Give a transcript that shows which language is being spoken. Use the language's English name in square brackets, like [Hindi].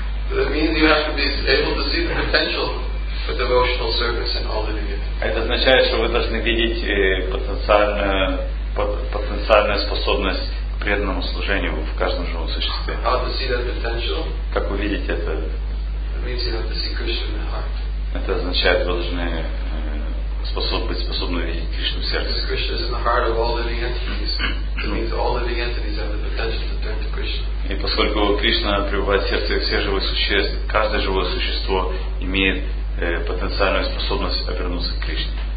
[English] That means you have to be able to see the potential for devotional service in all the divinities. [Russian] Это означает, что вы должны видеть потенциальную способность к преданному служению в каждом живом существе. [English] How to see that potential? [Russian] Как вы видите это? [English] That means you have to see Krishna in the heart. [Russian] Это означает, вы должны способны видеть Кришну в сердце. [English] Because Krishna is in the heart of all living entities. That means all living entities have the potential to turn to Krishna. [Russian] И поскольку Кришна пребывает в сердце всех живых существ, каждое живое существо имеет потенциальную способность обернуться к Кришне.